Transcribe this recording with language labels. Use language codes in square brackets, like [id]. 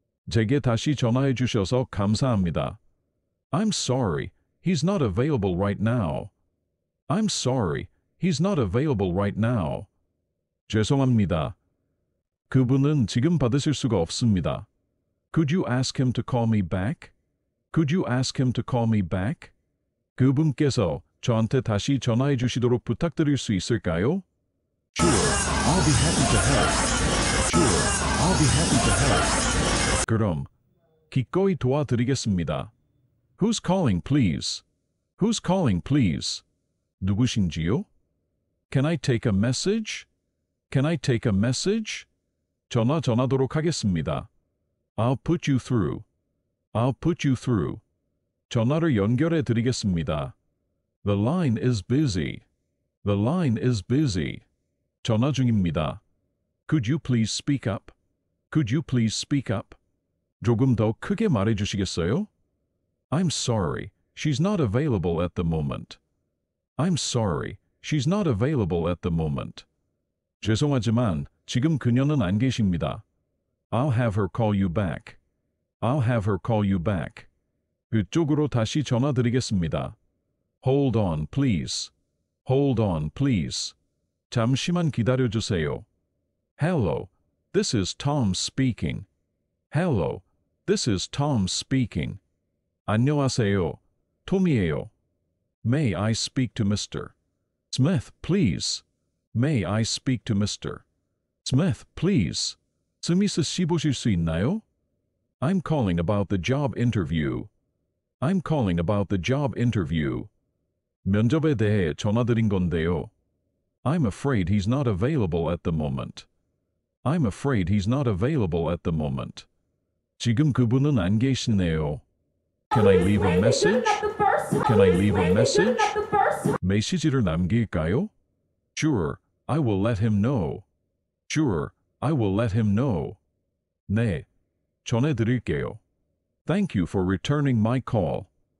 [ko] 제게 다시 전화해 주셔서 감사합니다. [en] I'm sorry, he's not available right now. I'm sorry, he's not available right now. [ko] 죄송합니다. 그분은 지금 받으실 수가 없습니다. [en] Could you ask him to call me back? Could you ask him to call me back? [ko] 그분께서 저한테 다시 전화해 주시도록 부탁드릴 수 있을까요? [en] Sure, I'll be happy to help. Sure, I'll be happy to help. [ko] 그럼, 기꺼이 도와드리겠습니다. [en] Who's calling, please? Who's calling, please? [ko] 누구신지요? [en] Can I take a message? Can I take a message? [ko] 전화 전하도록 하겠습니다. [en] I'll put you through. I'll put you through. [ko] 전화를 연결해 드리겠습니다. [en] The line is busy. The line is busy. [ko] 전화 중입니다. [en] Could you please speak up? Could you please speak up? [ko] 조금 더 크게 말해 주시겠어요? [en] I'm sorry, she's not available at the moment. I'm sorry, she's not available at the moment. [ko] 죄송하지만 지금 그녀는 안 계십니다. [en] I'll have her call you back. I'll have her call you back. [ko] 그쪽으로 다시 전화드리겠습니다. [en] Hold on, please. Hold on, please. [ko] 잠시만 기다려주세요. [en] Hello, this is Tom speaking. Hello, this is Tom speaking. [ko] 안녕하세요. 톰이에요. [en] May I speak to Mr. Smith, please? May I speak to Mr. Smith, please? [ko] 스미스 씨 보실 수 있나요? [en] I'm calling about the job interview. I'm calling about the job interview. [ko] 면접에 대해 전화드린 건데요. [en] I'm afraid he's not available at the moment. I'm afraid he's not available at the moment. [ko] 지금 그분은 안 계시네요. [en] Can I leave a message? Can I leave a message? [ko] 메시지를 남길까요? [en] Sure, I will let him know. Sure, I will let him know. [ko] 네, 전해드릴게요. [en] Thank you for returning my call.